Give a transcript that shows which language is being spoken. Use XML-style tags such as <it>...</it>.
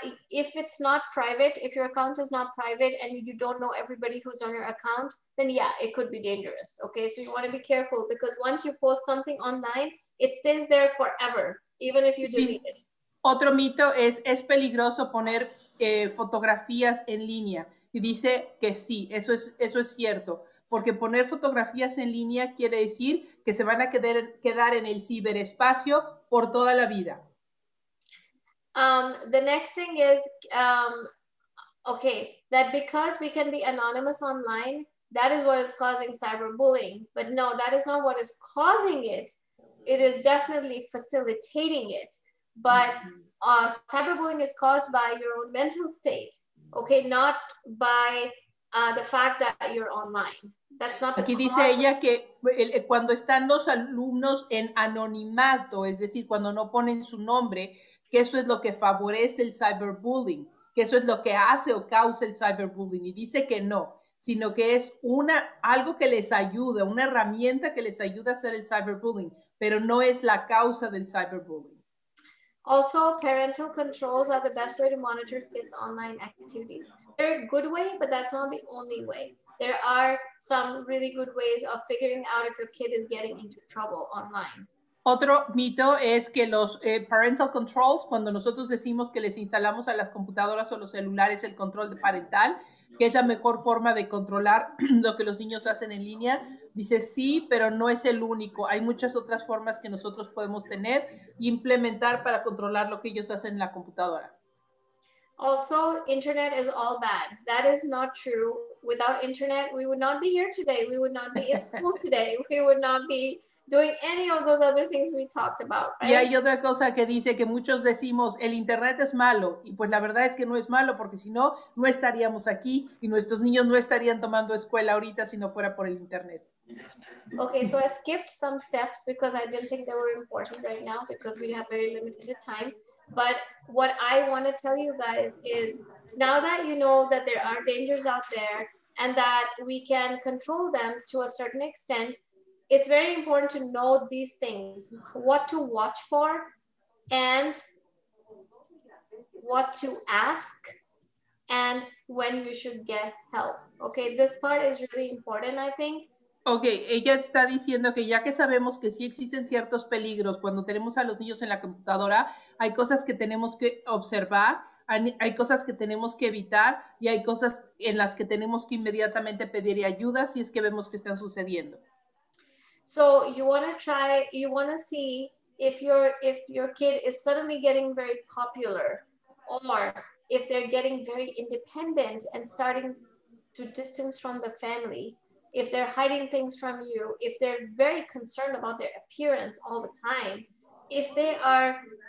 <en>If it's not private, if your account is not private and you don't know everybody who's on your account, then yeah, it could be dangerous. Okay, so you want to be careful, because once you post something online, it stays there forever, even if you delete it.</en> <es>Otro mito es peligroso poner fotografías en línea. Y dice que sí, eso es cierto. Porque poner fotografías en línea quiere decir que se van a quedar en el ciberespacio por toda la vida.</es> <en>The next thing is, okay, that because we can be anonymous online, that is what is causing cyberbullying. But no, that is not what is causing it. It is definitely facilitating it, but cyberbullying is caused by your own mental state, okay? Not by the fact that you're online. That's not the</en> <es>aquí</es> <en>cause.</en> <es>Dice ella que cuando están los alumnos en anonimato, es decir, cuando no ponen su nombre, que eso es lo que favorece el cyberbullying, que eso es lo que hace o causa el cyberbullying, y dice que no, sino que es algo que les ayuda, una herramienta que les ayuda a hacer el cyberbullying, pero no es la causa del cyberbullying.</es> <en>Also, parental controls are the best way to monitor kids' online activities. They're a good way, but that's not the only way. There are some really good ways of figuring out if your kid is getting into trouble online.</en> <es>Otro mito es que los parental controls, cuando nosotros decimos que les instalamos a las computadoras o los celulares el control de parental, que es la mejor forma de controlar lo que los niños hacen en línea, dice sí, pero no es el único. Hay muchas otras formas que nosotros podemos tener e implementar para controlar lo que ellos hacen en la computadora.</es> <en>Also, internet is all bad. That is not true. Without internet, we would not be here today. We would not be in school today. We would not be doing any of those other things we talked about, right?</en> <es>Y hay otra cosa que dice que muchos decimos, el internet es malo, y pues la verdad es que no es malo, porque si no, no estaríamos aquí, y nuestros niños no estarían tomando escuela ahorita si no fuera por el internet.</es> <en>Okay, so I skipped some steps because I didn't think they were important right now because we have very limited time. But what I want to tell you guys is, now that you know that there are dangers out there and that we can control them to a certain extent, it's very important to know these things, what to watch for and what to ask and when you should get help. Okay, this part is really important, I think,</en> <es>Okay, ella está diciendo que ya que sabemos que sí existen ciertos peligros cuando tenemos a los niños en la computadora, hay cosas que tenemos que observar, hay cosas que tenemos que evitar y hay cosas en las que tenemos que inmediatamente pedir ayuda si es que vemos que están sucediendo.</es> <en>So you want to try, you want to see if your kid is suddenly getting very popular or if they're getting very independent and starting to distance from the family, if they're hiding things from you, if they're very concerned about their appearance all the time, if they are,</en>